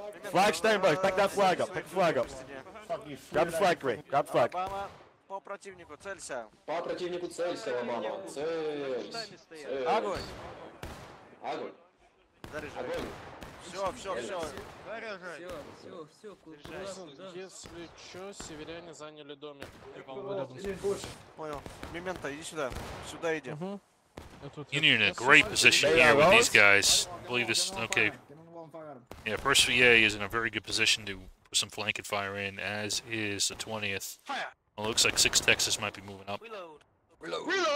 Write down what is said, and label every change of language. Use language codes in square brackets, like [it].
[en] Flag stand by, pick that flag up, pick the flag up. Grab the flag, Ray, grab the flag. [ru] По противнику целься. По противнику целься, Обама. Цель. Огонь. Огонь. Заряжай. Все. Заряжай. Все. Если что, северяне заняли домик. Понял. Мемента, иди сюда. Сюда иди. [en] You're in a great position here with these guys. I believe this is okay. Yeah, first VA is in a very good position to put some flanking fire in, as is the 20th. Well, it looks like 6 Texas might be moving up. Reload!